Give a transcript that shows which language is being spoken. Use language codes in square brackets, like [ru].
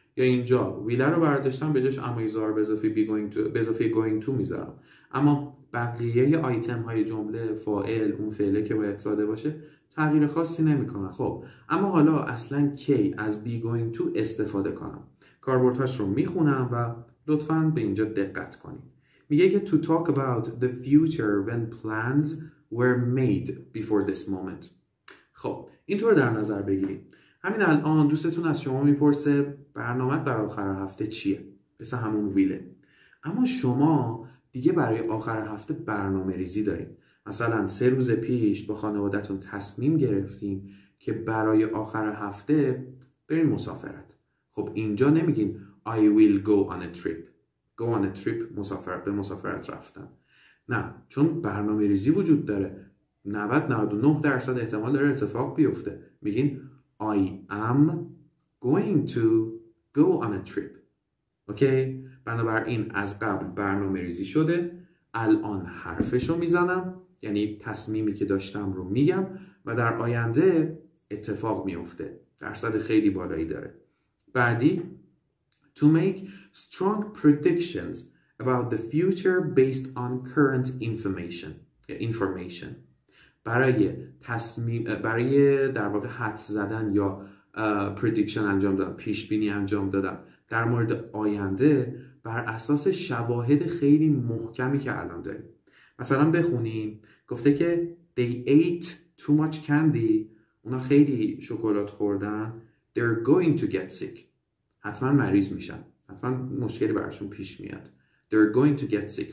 [fa] یا اینجا will رو برداشتم به جاش اما is و are به اضافه going to میذارم. اما بقیه آیتم های جمله، فاعل، اون فعله که باید ساده باشه، تغییر خاصی نمیکنه. خب اما حالا اصلا کی از be going to استفاده کنم؟ کاربردهاش رو میخونم و لطفاً به اینجا دقت کنید. میگه که [en] to talk about the future when plans were made before this moment. [fa] خب اینطور در نظر بگیریم. همین الان دوستتون از شما میپرسه برنامه برای آخر هفته چیه؟ مثل همون ویله. اما شما دیگه برای آخر هفته برنامه ریزی دارید. مثلا 3 روز پیش با خانوادتون تصمیم گرفتیم که برای آخر هفته بریم مسافرت. خب اینجا نمیگیم [en] I will go on a trip. Go on a trip [fa] مسافرت، به مسافرت رفتن. نه، چون برنامه ریزی وجود داره. 99% احتمال داره اتفاق بیفته. میگین [en] I am going to go on a trip. [fa] اوکی؟ بنابراین از قبل برنامه ریزی شده. الان حرفشو میزنم. یعنی تصمیمی که داشتم رو میگم و در آینده اتفاق میفته. درصد خیلی بالایی داره. بعدی [en] to make strong predictions about the future based on current information. [fa] برای تصمیم، برای در واقع حدس زدن یا prediction انجام دادم، پیش بینی انجام دادم در مورد آینده بر اساس شواهد خیلی محکمی که الان داریم. مثلا بخونیم، گفته که [en] they ate too much candy، [fa] اونا خیلی شکلات خوردن، [en] they're going to get sick، [fa] حتما مریض میشن، حتما مشکلی براشون پیش میاد، [en] they're going to get sick.